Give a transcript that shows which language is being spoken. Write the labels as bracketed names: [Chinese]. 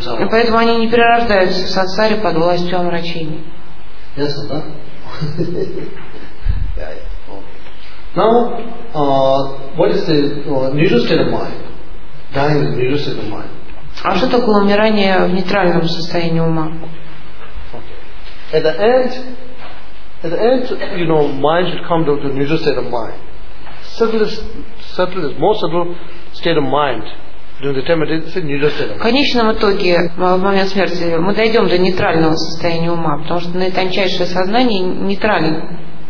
[Russian] Поэтому они не перерождаются в сансаре под властью омрачения. [English] Now, what is the neutral state of mind? Dying in neutral state of mind. [Russian] А что такое умирание в нейтральном состоянии ума? [English] Okay. At the end, mind should come to the neutral state of mind. Subtlest, more subtle state of mind. [Russian] В конечном итоге, в момент смерти, мы дойдем до нейтрального состояния ума, потому что наитончайшее сознание нейтрально.